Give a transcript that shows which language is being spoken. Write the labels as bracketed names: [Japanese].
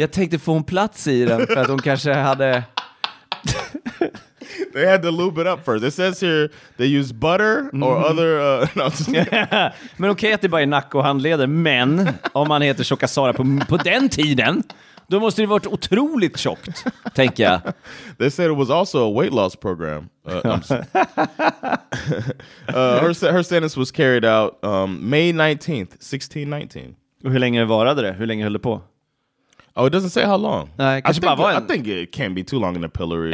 [Swedish] Jag tänkte få en plats i den för att hon kanske hade. [English] They had to lube it up first. It says here they use butter or other. [Swedish] Men okej att det bara är nack och handleder. Men om man heter Tjocka Sara på den tiden, då måste det varit otroligt tjockt, tänker jag. [English] They said it was also a weight loss program. her sentence was carried out May 19th, 1619. [Swedish] Och hur länge varade det? Hur länge höll det på? [English] Oh, it doesn't say how long. I think it can't be too long in a pillory.